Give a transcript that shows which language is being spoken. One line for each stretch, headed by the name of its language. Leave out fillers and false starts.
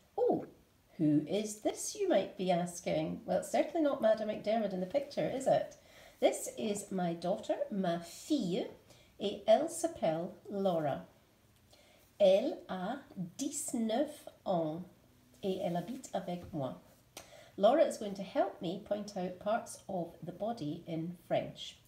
English: Oh, who is this, you might be asking? Well, it's certainly not Madame McDermott in the picture, is it? This is my daughter,
French: ma fille, et elle s'appelle Laura. Elle a 19 ans, et elle habite avec moi.
English: Laura is going to help me point out parts of the body in French.